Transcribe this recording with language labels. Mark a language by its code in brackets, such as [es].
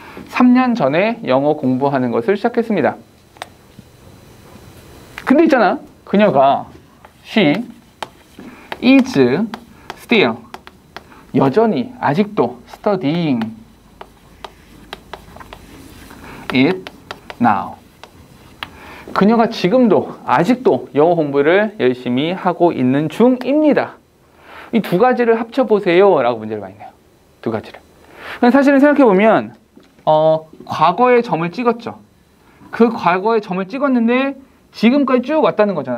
[ko] 3년 전에 영어 공부하는 것을 시작했습니다. 근데 있잖아. 그녀가 [en] she is still [ko] 여전히 아직도 [en] studying it now. [ko] 그녀가 지금도 아직도 영어 공부를 열심히 하고 있는 중입니다. 이 두 가지를 합쳐보세요 라고 문제를 많이 내요. 두 가지를. 근데 사실은 생각해보면 과거의 점을 찍었죠. 그 과거의 점을 찍었는데 지금까지 쭉 왔다는 거잖아.